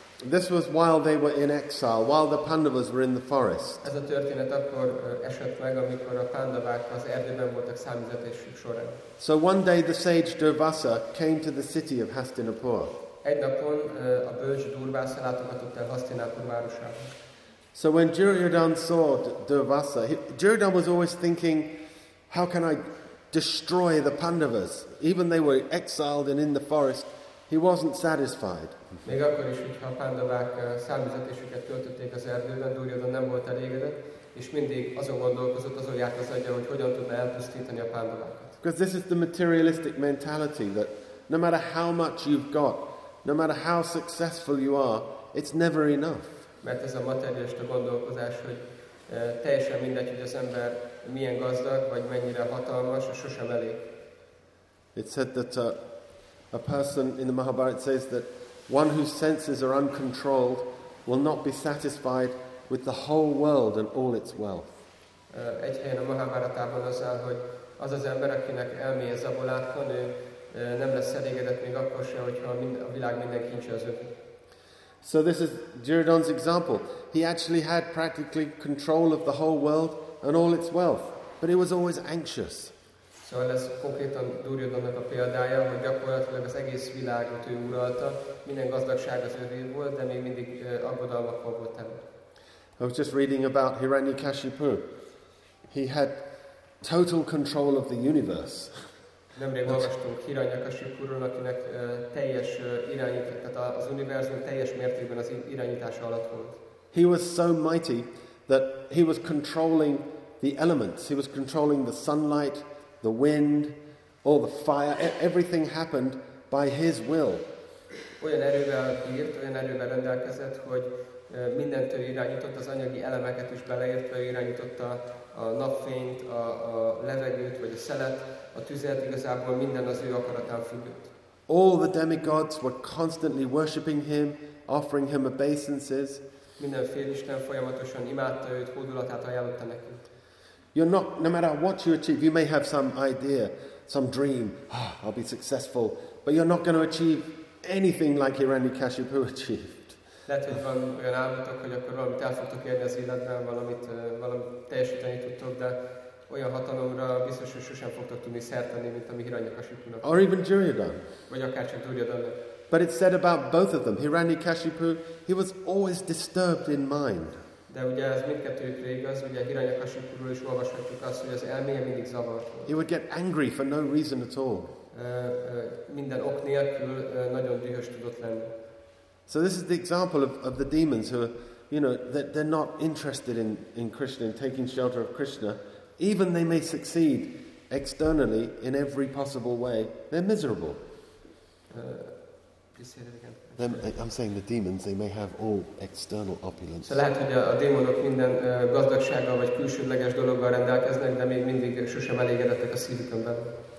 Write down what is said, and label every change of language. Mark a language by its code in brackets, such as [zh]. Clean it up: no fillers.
[en] This was while they were in exile, while the Pandavas were in the forest. [hu] Ez a történet akkor esett meg, amikor a Pandavák az erdőben voltak számüzetésük során. [en] So one day the sage Durvasa came to the city of Hastinapur. [hu] Egy napon a bölcs Durvásza látogatott el Hastinapur városába. [en] So when Duryodhan saw Durvasa, Duryodhan was always thinking, how can I destroy the Pandavas? Even they were exiled and in the forest, he wasn't satisfied. [hu] Még akkor is, hogyha a Pandavák számüzetésüket töltötték az erdőben, Duryodhan nem volt elégedett, és mindig azon gondolkozott, azon járt az agya, hogy hogyan tudna elpusztítani a Pandavákat. [en] Because this is the materialistic mentality, that no matter how much you've got, no matter how successful you are, it's never enough. [hu] Mert ez a materialista gondolkozás, hogy teljesen mindegy, hogy az ember milyen gazdag, vagy mennyire hatalmas, és sosem elég. [en] It said that a person in the Mahabharata says that one whose senses are uncontrolled will not be satisfied with the whole world and all its wealth. [hu] Egy helyen a Mahabharatában az áll, hogy az az ember, akinek elméje zabolátlan, ő nem lesz elégedett még akkor sem, hogyha a világ minden kincse az övé. [en] So this is Duryodhan's example. He actually had practically control of the whole world and all its wealth, but he was always anxious. [hu] So ez konkrétan Duryodhannak a példája, hogy gyakorlatilag az egész világot ő uralta, minden gazdagság az övé volt, de még mindig aggodalmakkal volt ember. [en] I was just reading about Hiranyakashipu. He had total control of the universe. [hu] Nemrég olvastunk Hiranyakasipuról, akinek teljes irányított, az univerzum teljes mértékben az irányítása alatt volt. [en] He was so mighty that he was controlling the elements. He was controlling the sunlight, the wind, all the fire. Everything happened by his will. [hu] Olyan erővel bírt, olyan erővel rendelkezett, hogy mindentől irányított, az anyagi elemeket is beleértve irányította a napfényt, a levegőt, vagy a szelet. A tüzet, igazából minden az ő akaratán függött. [en] All the demigods were constantly worshipping him, offering him obeisances. [hu] Minden félisten folyamatosan imádta őt, hódulatát ajánlotta neki. [en] No matter what you achieve, you may have some idea, some dream, I'll be successful, but you're not going to achieve anything like Hiranyakashipu achieved. [hu] Lehet, hogy van olyan álmotok, hogy akkor valamit el fogtok érni az életben, valamit teljesíteni tudtok, de olyan hatalomra biztos, hogy sosem fogtok tudni szertenni, mint ami Hiranyakashipunak. [en] Or even Duryodhan. [hu] Vagy akár csak Duryodhan. [en] But it's said about both of them. Hiranyakashipu, he was always disturbed in mind. [hu] De ugye ez mindkettőjükre igaz, ugye Hiranyakashipuról is olvashatjuk azt, hogy az elméje mindig zavart. [en] He would get angry for no reason at all. [hu] Minden ok nélkül nagyon dühös tudott lenni. [en] So this is the example of the demons who, you know, that they're not interested in Krishna, in taking shelter of Krishna. Even they may succeed externally in every possible way, they're miserable. I'm saying the demons, they may have all external opulence. [hu] So lehet, hogy a démonok minden gazdagsággal vagy külsődleges dologgal rendelkeznek, de még mindig sosem elégedettek a szívükön belül.